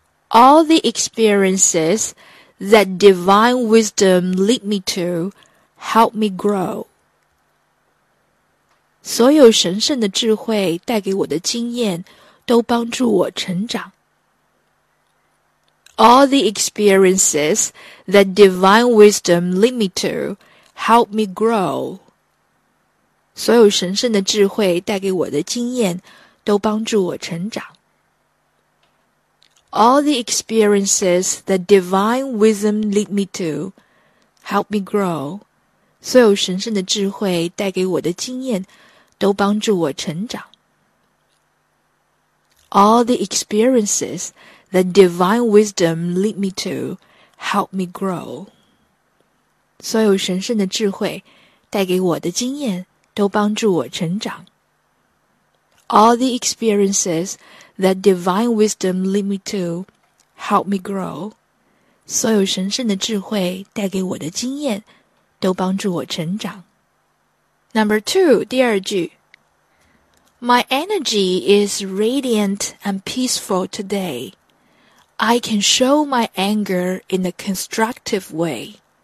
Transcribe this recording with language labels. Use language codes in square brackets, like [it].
[en] All the experiences that divine wisdom lead me to help me grow. [zh] 所有神圣的智慧带给我的经验都帮助我成长。 [en] All the experiences that divine wisdom lead me to help me grow. [zh] 所有神圣的智慧带给我的经验都帮助我成长。 [en] All the experiences that divine wisdom lead me to help me grow. [zh] 所有神圣的智慧带给我的经验都帮助我成长。 [en] All the experiences that divine wisdom lead me to help me grow. [zh] 所有神圣的智慧带给我的经验都帮助我成长。 [en] All the experiences that divine wisdom lead me to help me grow. [zh] 所有神圣的智慧带给我的经验都帮助我成长。 [en] Number two, [zh] 第二句。 [en] My energy is radiant and peaceful today. I can show my anger in a constructive way.